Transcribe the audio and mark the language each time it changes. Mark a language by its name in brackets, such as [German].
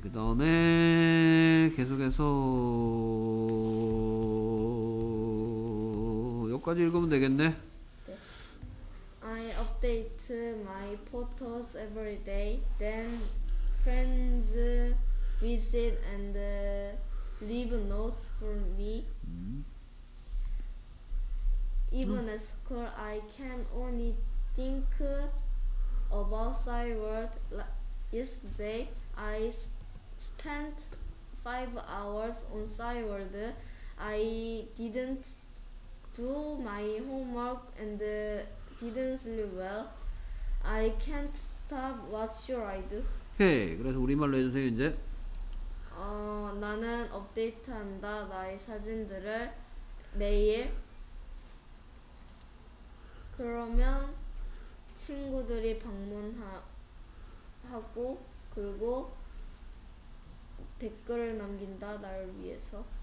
[Korean] 그 다음에 계속해서 여기까지 읽으면 되겠네. [English] 네. I update my photos every day. Then friends visit and leave notes for me. Even at school, I can only think about Cyworld. Yesterday, I spent 5 hours on Cyworld. I didn't do my homework and didn't sleep well. I can't stop. What should I do? 오케이. [Korean] 그래서 우리말로 해주세요, 이제. 나는 업데이트한다. 나의 사진들을 매일. 그러면 친구들이 방문하고 그리고 댓글을 남긴다. 나를 위해서.